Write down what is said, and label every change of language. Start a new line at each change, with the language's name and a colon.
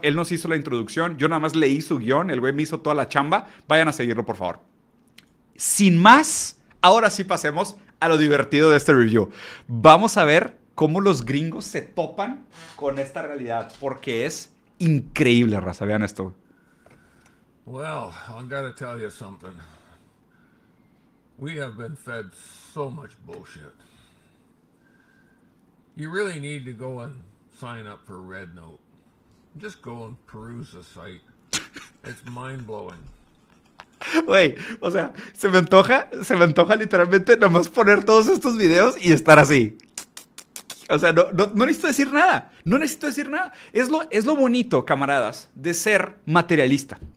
Spanish: Él nos hizo la introducción, yo nada más leí su guión, el güey me hizo toda la chamba. Vayan a seguirlo, por favor. Sin más, ahora sí pasemos a lo divertido de este review. Vamos a ver cómo los gringos se topan con esta realidad, porque es increíble, raza, vean esto.
English: Well, I'm gonna tell you something. We have been fed so much bullshit. You really need to go and sign up for Red Note. Just go and peruse the site. It's mind-blowing.
Spanish: Wey, o sea, se me antoja literalmente nomás poner todos estos videos y estar así. O sea, no necesito decir nada. No necesito decir nada. Es lo bonito, camaradas, de ser materialista.